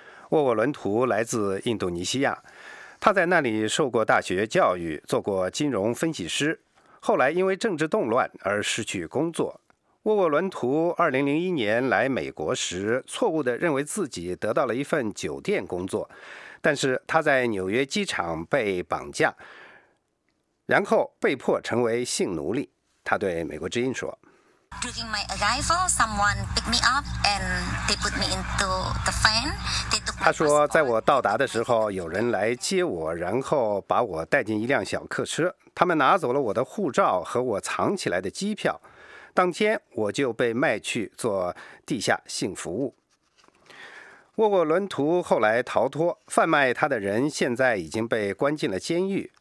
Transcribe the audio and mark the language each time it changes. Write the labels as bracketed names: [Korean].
[Chinese] 沃沃伦图来自印度尼西亚，他在那里受过大学教育，做过金融分析师，后来因为政治动乱而失去工作。沃沃伦图2001年来美国时，错误地认为自己得到了一份酒店工作，但是他在纽约机场被绑架，然后被迫成为性奴隶。他对美国之音说。 [English] During my arrival, someone picked me up and they put me into the van. [Chinese] 他说，在我到达的时候，有人来接我，然后把我带进一辆小客车。他们拿走了我的护照和我藏起来的机票。当天我就被卖去做地下性服务。沃沃伦图后来逃脱，贩卖他的人现在已经被关进了监狱。